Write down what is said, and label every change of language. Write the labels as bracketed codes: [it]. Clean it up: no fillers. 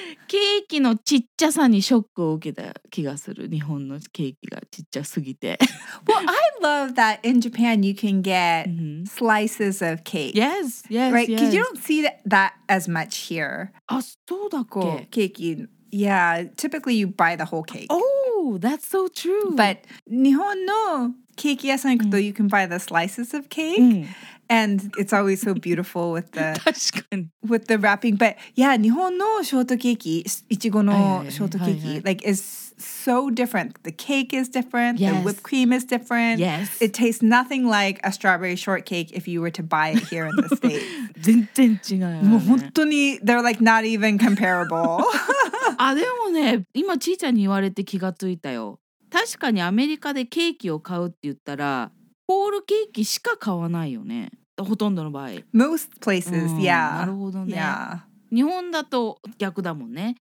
[ja] ケーキのちっちゃさにショックを受けた気がする。日本のケーキがちっちゃすぎて。 [en] Well, I love that in Japan you can get slices of cake. Yes, yes, yes. Right, because you don't see that as much here. [ja] あ、そうだっけ? [en] ケーキ。Yeah, typically you buy the whole cake. Oh, that's so true. But [ja] 日本のケーキ屋さん行くと [en] you can buy the slices of cake. And it's always so beautiful with the [ja] 確かに。 [en] with the wrapping. But yeah, [ja] 日本のショートケーキ、いちごのショートケーキ、 [en] like is so different. The cake is different. Yes. The whipped cream is different. Yes. It tastes nothing like a strawberry shortcake if you were to buy it here in the States. [ja] 全然違うよね。もう本当に、 [en] they're like not even comparable. [ja] あ、でもね、今ちーちゃんに言われて気がついたよ。確かにアメリカでケーキを買うって言ったら、ホールケーキしか買わないよね。ほとんどの場合。 [en] Most places, yeah. [ja] なるほどね。 [en] Yeah. [ja] 日本だと逆だもんね。